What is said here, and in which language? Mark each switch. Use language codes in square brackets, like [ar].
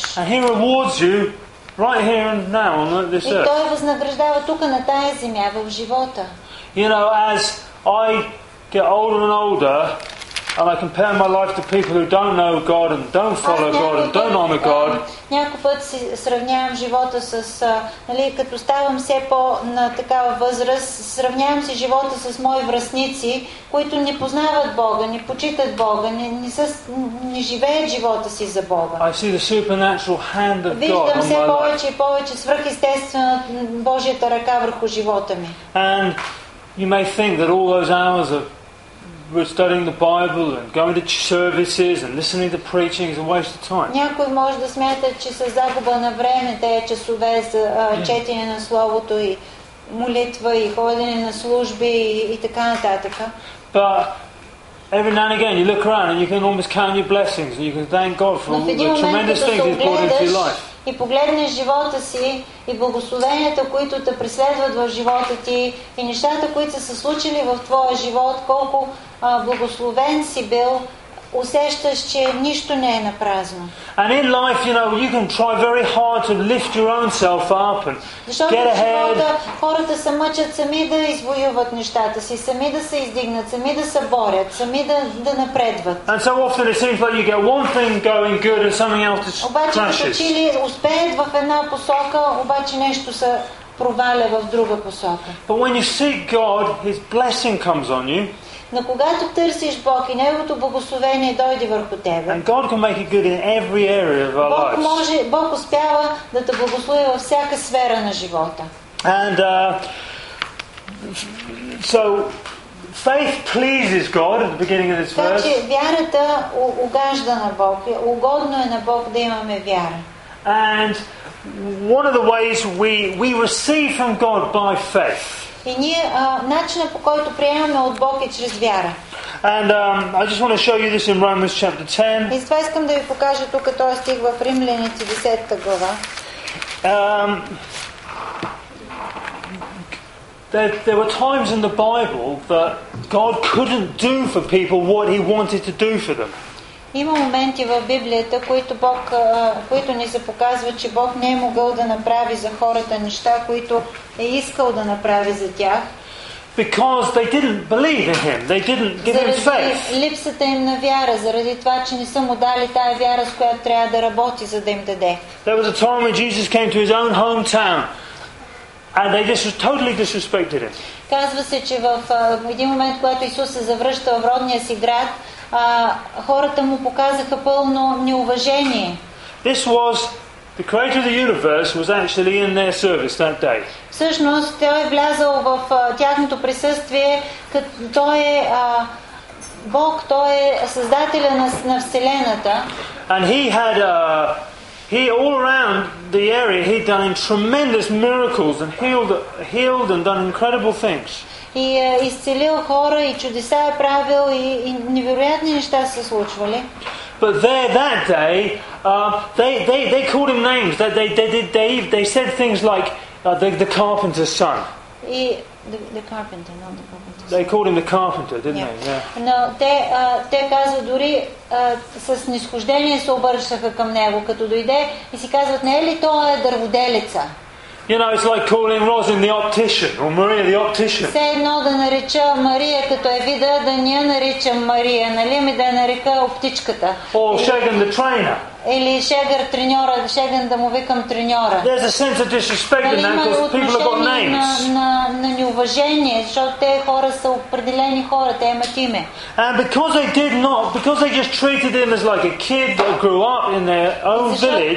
[en] And he rewards you right here and now on this earth. [bg] И той възнаграждава тук на тая земя в живота. [en] You know, as I get older and older, and I compare my life to people who don't know God and don't follow God and don't honor God. [bg] Някой път си сравнявам живота с, нали, като ставам все по на такава възраст, сравнявам си живота с мои връстници, които не познават Бога, не почитат Бога, не живеят живота си за Бога. [en] I see the supernatural hand of God. [bg] Виждам все повече и повече свръхестествена Божията ръка върху живота ми. [en] And you may think that all those hours of we're studying the Bible and going to services and listening to preaching is a waste of time. [bg] Някой може да смята, че със загуба на време тези часове за четене на словото и молитва и ходене на служби и така нататък. [en] But every now and again you look around and you can almost count your blessings and you can thank God for all the tremendous things He's brought into your life. [bg] И погледнеш живота си и благословенията, които те преследват в живота ти и нещата, които са се случили в твоя живот, колко благословен си бил, усещаш, че нищо не е напразно. [en] And in life, you know, you can try very hard to lift your own self up and [bg] защото [en] get ahead. [bg] Живота, хората се мъчат сами да извоюват нещата си, сами да се издигнат, сами да се борят, сами да напредват. [en] And so often it seems like you get one thing going good and something else crashes. [bg] Обаче като че ли успеят в една посока, обаче нещо се проваля в друга посока. [en] But when you seek God, His blessing comes on you. [bg] Но когато търсиш Бог и Неговото благословение дойде върху тебе. [en] And God can make it good in every area of our lives. [bg] Бог успява да те благослови във всяка сфера на живота. [en] And so faith pleases God at the beginning of this verse. [bg] Значи вярата угажда на Бог. Угодно е на Бог да имаме вяра. [en] And one of the ways we receive from God by faith. [bg] И ние начинът по който приемаме от Бог е чрез вяра. [en] And I just want to show you this in Romans chapter 10. [bg] И това искам да ви покажа тук, като стих в Римляните 10-та глава. [en] There were times in the Bible that God couldn't do for people what he wanted to do for them. [bg] Има моменти в Библията, които ни се показва, че Бог не е могъл да направи за хората неща, които е искал да направи за тях. [en] Because they didn't believe in him. They didn't give him faith. [bg] Липсата им на вяра, заради това, че не са му дали тая вяра, с която трябва да работи, за да им даде. [en] There was a time when Jesus came to his own hometown. And they just totally disrespected him. [bg] Казва се, че в един момент, когато Исус се завръща в родния си град, хората му показаха пълно неуважение. [en] This was the creator of the universe was actually in their service that day. [bg] Всъщност, той е влязъл в тяхното присъствие, като той е Бог, той е създателя на вселената. [en] And he had He all around the area he'd done in tremendous miracles and healed and done incredible things. [bg] И изцелил хора и чудеса е правил и невероятни неща се случвали. [en] But there that day, they called him names. They said things like the carpenter's son. И the carpenter, not the carpenter. They called him the carpenter, didn't they? Yeah. [bg] Но те казват дори с нисхождение се обръщаха към него, като дойде и си казват, не е ли той е дърводелеца? [en] You know, it's like calling Rosin the optician or Maria the optician. [bg] Все едно да нареча Мария като е вида, да не я наричам Мария, нали, ми да я нарека оптичката. [en] Or Shagan the trainer. [bg] Или Шегър треньора, Шеган да му викам треньора. [en] There's a sense of disrespect in that because people have got names. [bg] На неуважение, защото те хора са определени хора, те имат име. [en] And because they did not, because they just treated him as like a kid that grew up in their own village.